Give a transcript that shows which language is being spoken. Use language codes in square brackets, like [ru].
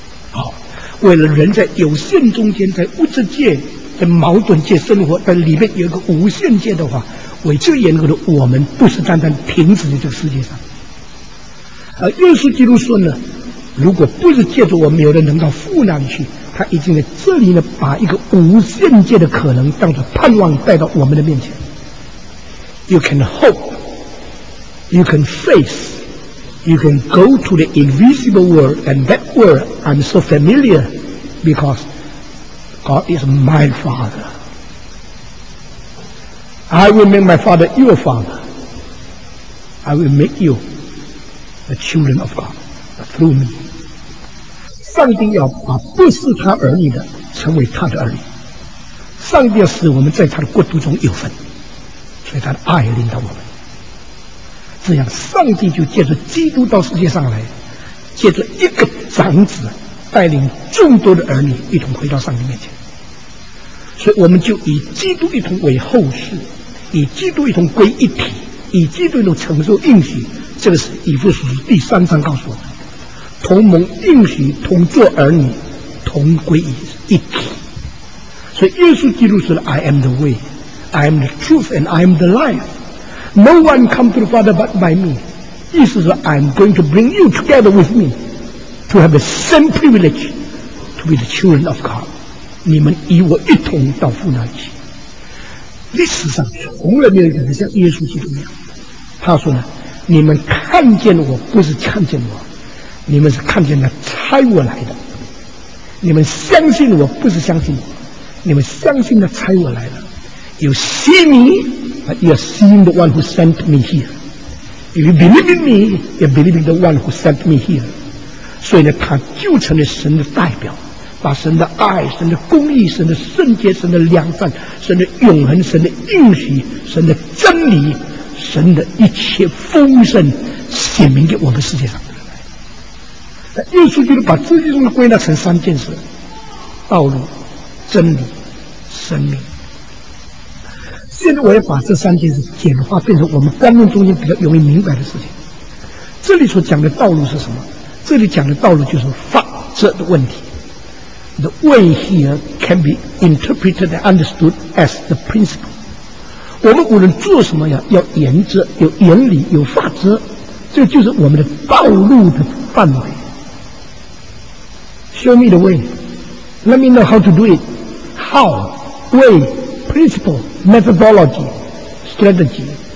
[zh] 好，为了人在有限中间，在物质界，在矛盾界生活，但里面有一个无限界的话，为这缘故的我们不是单单停止在这个世界上。而耶稣基督说呢，如果不是借助我们有人能到父那里去，他已经在这里呢把一个无限界的可能当作盼望带到我们的面前。 [en] You can hope, you can face, you can go to the invisible world, and that world I'm so familiar, becauseGod is my father. I will make my father your father. I will make you the children of God through me. [zh] 上帝要把不是他儿女的成为他的儿女。上帝要使我们在他的国度中有份，所以他的爱领导我们。这样上帝就借着基督到世界上来，借着一个长子带领众多的儿女一同回到上帝面前。所以我们就以基督一同为后世，以基督一同归一体，以基督一同承受应许。这个是以弗所书第三章告诉我们，同蒙应许，同作儿女，同归一体。所以耶稣基督说 [en] I am the way, I am the truth, and I am the life. No one come to the Father but by me. [zh] 意思是 [en] I am going to bring you together with me to have the same privilege to be the children of God. [zh] 你们与我一同到父那里去。历史上从来没有一个人像耶稣基督那样，他说呢，你们看见我不是看见我，你们是看见了差我来的，你们相信我不是相信我，你们相信了差我来的。 [en] You see me, but you are seeing the one who sent me here. If you believe in me, you are believing the one who sent me here. [zh] 所以呢，他就成了神的代表，把神的爱、神的公义、神的圣洁、神的良善、神的永恒、神的应许、神的真理、神的一切丰盛显明给我们世界上的人。耶稣就是把自己中的归纳成三件事：道路、真理、生命。现在我要把这三件事简化，变成我们观众中间比较容易明白的事情。这里所讲的道路是什么？这里讲的道路就是法则的问题。 [en] The way here can be interpreted and understood as the principle. [zh] 我们无论做什么呀，要原则、有原理、有法则，这就是我们的道路的范围。 [en] Show me the way. Let me know how to do it. How, way, principle, methodology, strategy.